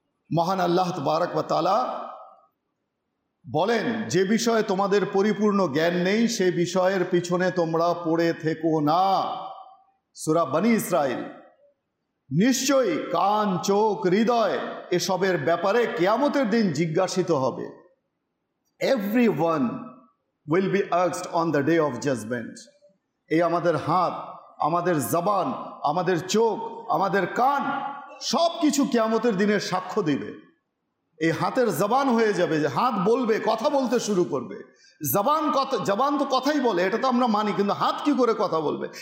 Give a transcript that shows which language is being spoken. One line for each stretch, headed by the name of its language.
Bangla: মহান আল্লাহ তাবারক ওয়া তাআলা বলেন, যে বিষয়ে তোমাদের পরিপূর্ণ জ্ঞান নেই সে বিষয়ের পিছনে তোমরা পড়ে থেকো না, সূরা বনী ইসরাইল। নিশ্চয়ই কান, চোখ, হৃদয় এসবের ব্যাপারে কিয়ামতের দিন জিজ্ঞাসিত হবে।
English: Everyone will be asked on the day of judgment.
Bangla: এই আমাদের হাত, আমাদের জবান, আমাদের চোখ, আমাদের কান, সব কিছু কিয়ামতের দিনের সাক্ষ্য দিবে। এই হাতের জবান হয়ে যাবে, যে হাত বলবে, কথা বলতে শুরু করবে। জবান কথা, জবান তো কথাই বলে, এটা তো আমরা মানি, কিন্তু হাত কি করে কথা বলবে?